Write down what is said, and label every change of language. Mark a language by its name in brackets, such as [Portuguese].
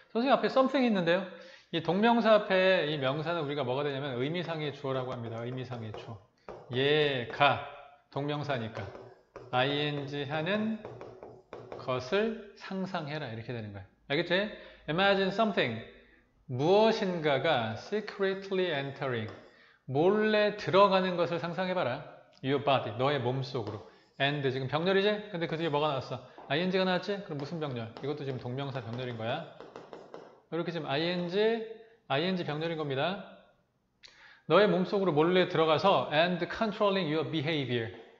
[Korean] 선생님 앞에 something 있는데요. 이 동명사 앞에 이 명사는 우리가 뭐가 되냐면 의미상의 주어라고 합니다. 의미상의 주어. 얘가 동명사니까 ing 하는 것을 상상해라 이렇게 되는 거예요. 알겠지? [English] Imagine something. [Korean] 무엇인가가 [English] secretly entering. [Korean] 몰래 들어가는 것을 상상해봐라. [English] Your body. [Korean] 너의 몸속으로. And 지금 병렬이지? 근데 그 뒤에 뭐가 나왔어? ing가 나왔지? 그럼 무슨 병렬? 이것도 지금 동명사 병렬인 거야. 이렇게 지금 ing 병렬인 겁니다. 너의 몸속으로 몰래 들어가서 [English] and controlling your behavior.